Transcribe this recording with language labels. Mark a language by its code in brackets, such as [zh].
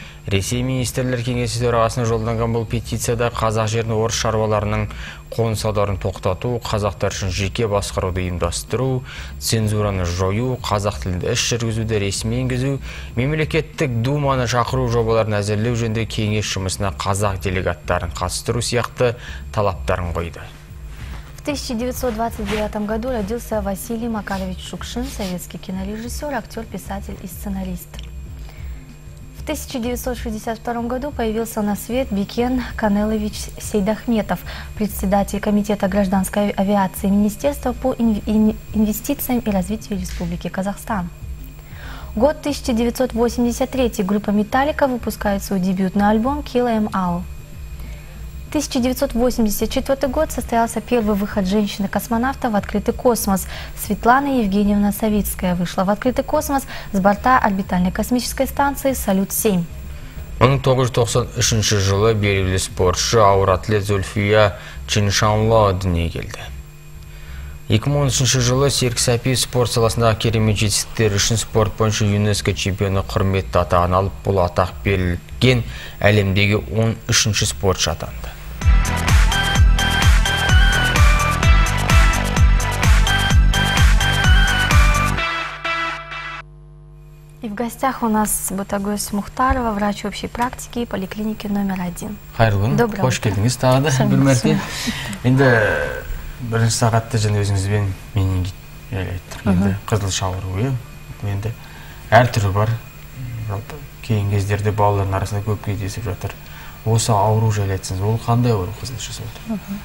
[kk] Ресей министрлер кеңесі төрағасының жолданған бұл петицияда қазақ жерін орыс шаруаларының қоныс аударуын тоқтату, қазақтар үшін жеке басқаруды ұйымдастыру, цензураны жою, қазақ тілінде іс жүргізуді ресми енгізу, мемлекеттік думаны шақыру жобаларын әзірлеу жөнінде кеңес жұмысына қазақ делегаттарын қатыстыру сияқты талаптарын қойды. [ru] В 1929 году родился Василий Макарович Шукшин, советский кинорежиссер, актер, писатель и сценарист. В 1962 году появился на свет Бекен Канелович Сейдахметов, председатель Комитета гражданской авиации Министерства по инвестициям и развитию Республики Казахстан. Год 1983. Группа «Металлика» выпускает свой дебютный альбом «Kill 'Em All». 1984 год состоялся первый выход женщины-космонавта в открытый космос. Светлана Евгеньевна Савицкая вышла в открытый космос с борта орбитальной космической станции «Салют-7». [kk] 1993 жылы белгілі спортшы ауыр атлет Зульфия Чиншанло дүние келді. 2013 жылы Серік Сәпиев спорт саласындағы керемет жетістіктері үшін спорт бойынша ЮНЕСКО чемпионы құрметті атағын алып, бұл атақ берілген әлемдегі 13-ші спортшы атанды. [ru] И в гостях у нас Ботагөз Мухтарова, врач общей практики поликлиники номер 1. [kk] Хайырлы күн. Қош келдіңіз тағы да. Бір мәрте. Енді бірінші сағатта және өзіңізбен менингит айттық. Енді қызыл шауыру ғой. Енді әр түрі бар. Жалпы кейін кездерде балалардың арасында көп кездесіп жатыр. Осы ауру жайлы айтсаңыз, ол қандай ауру қызылша сонда?